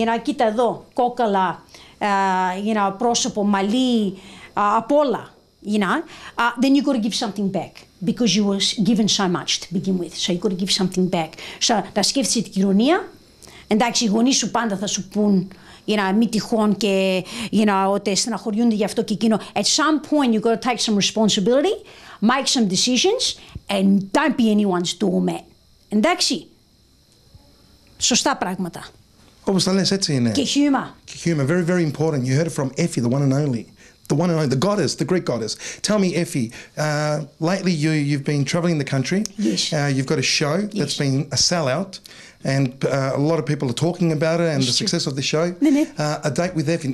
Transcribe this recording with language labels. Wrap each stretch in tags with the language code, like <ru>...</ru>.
<en>You know,</en> <el>κοίτα εδώ, κόκαλα,</el> <en>you know,</en> <el>πρόσωπο, μαλλί, απ' όλα.</el> <en>You know, then you've got to give something back because you were given so much to begin with. So you've got to give something back. So,</en> <el>να σκέφτεσαι την κοινωνία. Εντάξει, οι γονείς σου πάντα θα σου πούν,</el> <en>you know,</en> <el>μη τυχόν και, you know, ότι στεναχωριούνται γι' αυτό και εκείνο.</el> <en>At some point, you've got to take some responsibility, make some decisions, and don't be anyone's doormat.</en> <el>Εντάξει, σωστά πράγματα. Όπως τα λες, έτσι είναι. Και χιούμα. Και χιούμα,</el> <en>very, very important. You heard it from Effie, the one and only. The one and only, the goddess, the Greek goddess. Tell me, Effie, lately you've been travelling the country. Yes. You've got a show yes. that's been a sellout. and a lot of people are talking about it and the success of the show. A date with Effie.</en>